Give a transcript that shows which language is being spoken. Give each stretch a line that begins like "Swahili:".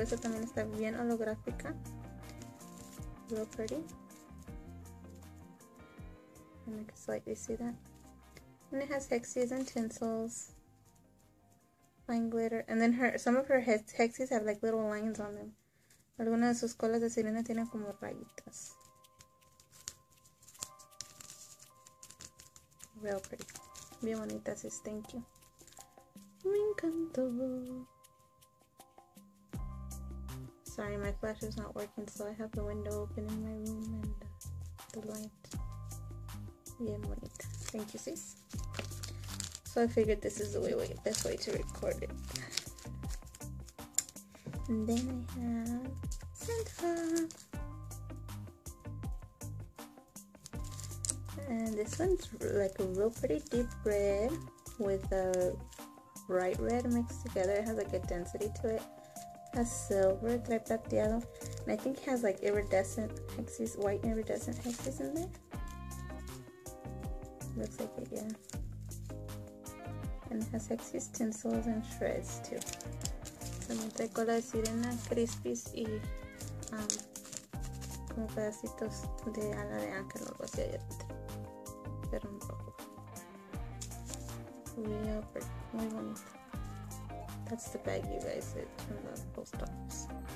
Spanish: Esta también está bien holográfica.
English: Real pretty. And I can slightly see that. And it has hexies and tinsels. Fine glitter. And then her, some of her hexies have like little lines on them.
Spanish: Algunas de sus colas de sirena tienen como rayitas.
English: Real pretty.
Spanish: Bien bonitas, es,
English: thank you.
Spanish: Me encantó.
English: Sorry, my flash is not working, so I have the window open in my room and the light.
Spanish: Bien bonita.
English: Thank you, sis. So I figured this is the best way to record it. And then I have Santa. And this one's like a real pretty deep red with a bright red mixed together. It has like a density to it. It has silver tripateado. And I think it has like iridescent hexes, white iridescent hexes in there. Looks like it, yeah. And it has hexes, tinsels, and shreds too.
Spanish: También trae cola de sirena, crispies y como pedacitos de ala de ángel o algo así allá dentro. Pero un poco.
English: Real pretty.
Spanish: Muy bonito.
English: That's the bag, you guys. It turned out post office.